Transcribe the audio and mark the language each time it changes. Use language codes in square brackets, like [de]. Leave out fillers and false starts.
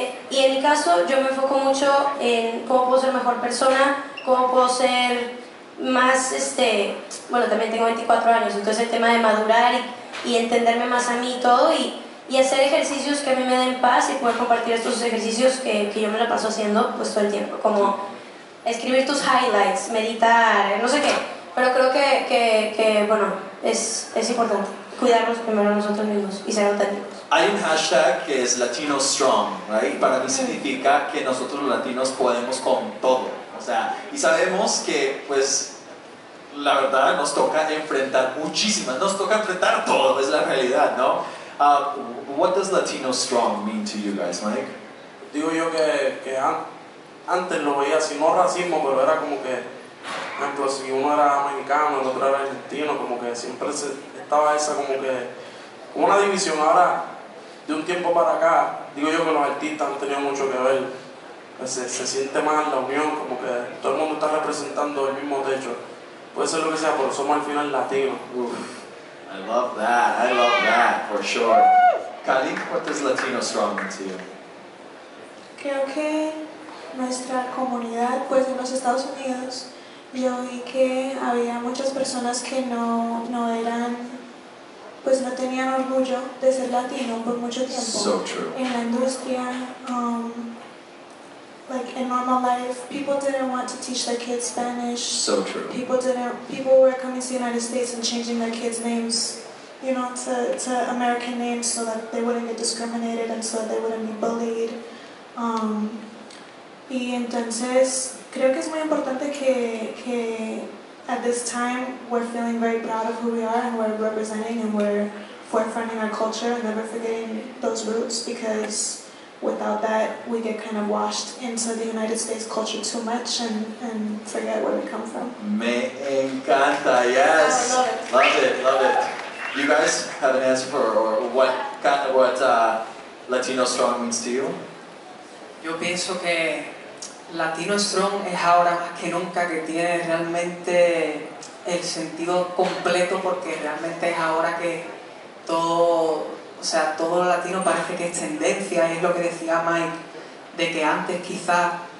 [es] Y en mi caso yo me enfoco mucho en cómo puedo ser mejor persona, cómo puedo ser más, bueno, también tengo 24 años, entonces el tema de madurar y entenderme más a mí y todo, y hacer ejercicios que a mí me den paz y poder compartir estos ejercicios que yo me la paso haciendo pues todo el tiempo, como escribir tus highlights, meditar, no sé qué, pero creo que bueno, es importante cuidarnos primero nosotros mismos y ser auténticos. Hay un hashtag que es Latino Strong, [en] right? [es] Para mí significa que nosotros los latinos podemos con todo. O sea, y sabemos que, pues, la verdad nos toca enfrentar muchísimas, nos toca enfrentar todo, es la realidad, ¿no? [en] What does Latino Strong mean to you guys, Mike? [es] Digo yo que antes lo veía así, no racismo, pero era como que, por ejemplo, si uno era mexicano, el otro era argentino, como que siempre estaba esa como que, como una división. Ahora, de un tiempo para acá, digo yo que los artistas han tenido mucho que ver. Se siente más la unión, como que todo el mundo está representando el mismo techo. Puede ser lo que sea, pero somos al final latinos. [en] I love that, for sure. Kali, what does Latino Strong mean to you? [es] Creo que nuestra comunidad, pues en los Estados Unidos, yo vi que había muchas personas que no eran, pues no tenían orgullo de ser latino por mucho tiempo. [en] So true. [es] En la industria, [en] like in normal life, people didn't want to teach their kids Spanish. So true. People were coming to the United States and changing their kids' names, you know, to American names so that they wouldn't get discriminated and so that they wouldn't be bullied. [es] Y entonces creo que es muy importante que [en] at this time we're feeling very proud of who we are and we're representing and we're forefronting our culture and never forgetting those roots, because without that we get kind of washed into the United States culture too much and forget where we come from. [es] Me encanta, [en] yes. Oh, love it. Love it, love it. You guys have an answer for or what kind of what Latino Strong means to you? [es] Yo pienso que Latino Strong es ahora más que nunca que tiene realmente el sentido completo, porque realmente es ahora que todo, o sea, todo latino parece que es tendencia, y es lo que decía Mike, de que antes quizás